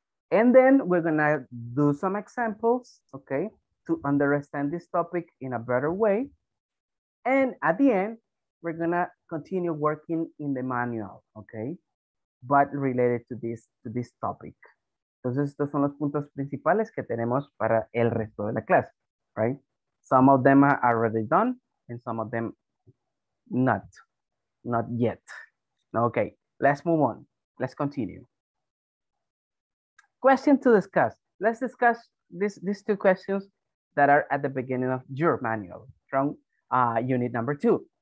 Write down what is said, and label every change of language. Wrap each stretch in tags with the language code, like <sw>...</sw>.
<en>And then we're gonna do some examples, okay, to understand this topic in a better way. And at the end, we're gonna continue working in the manual, okay, but related to this topic.</en> <es>Entonces, estos son los puntos principales que tenemos para el resto de la clase, right?</es> <en>Some of them are already done and some of them not. Not yet. Okay, let's move on. Let's continue. Question to discuss. Let's discuss these two questions that are at the beginning of your manual from unit number 2.</en>